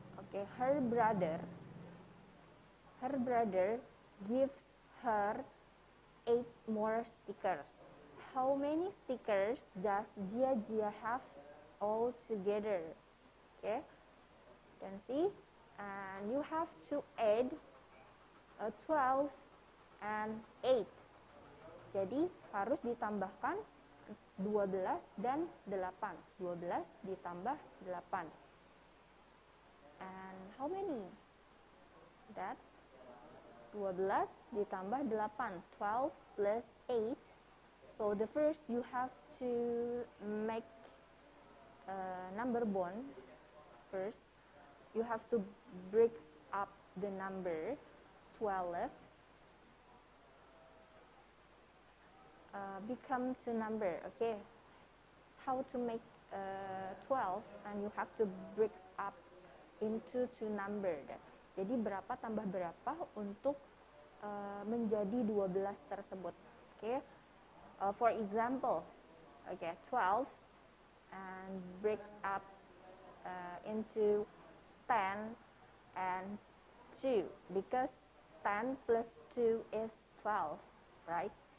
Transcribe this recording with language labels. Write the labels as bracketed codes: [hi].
[en] Okay, her brother gives her 8 more stickers. How many stickers does Jia have all together? Okay, you can see, and you have to add 12 and 8. [id] Jadi harus ditambahkan 12 dan 8. 12 ditambah 8. [en] And how many? That 12 [id] ditambah [en] 8. 12 plus 8. So the first you have to make number bond first. You have to break up the number 12. Become two number. Okay, how to make 12, and you have to break up into two number. [id] Jadi berapa tambah berapa untuk menjadi 12 tersebut. [en] Okay, for example, okay, 12 and break up into 10 and 2, because 10 plus 2 is 12, right?